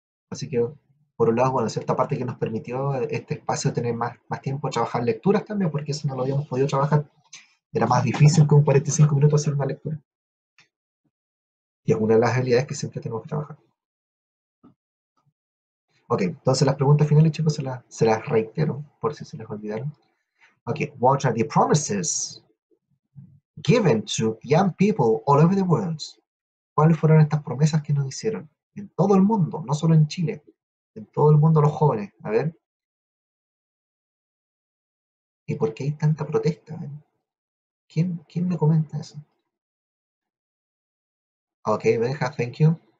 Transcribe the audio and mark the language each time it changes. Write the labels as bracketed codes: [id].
[es] Así que, por un lado, bueno, cierta parte que nos permitió este espacio tener más tiempo a trabajar lecturas también, porque eso no lo habíamos podido trabajar. Era más difícil que un 45 minutos hacer una lectura. Y es una de las habilidades que siempre tenemos que trabajar. Ok, entonces las preguntas finales, chicos, se las reitero, por si se les olvidaron. [en] Ok, what are the promises given to young people all over the world? [es] ¿Cuáles fueron estas promesas que nos hicieron? En todo el mundo, no solo en Chile, en todo el mundo los jóvenes. A ver. ¿Y por qué hay tanta protesta? ¿Quién me comenta eso? [en] Ok, Benja, thank you.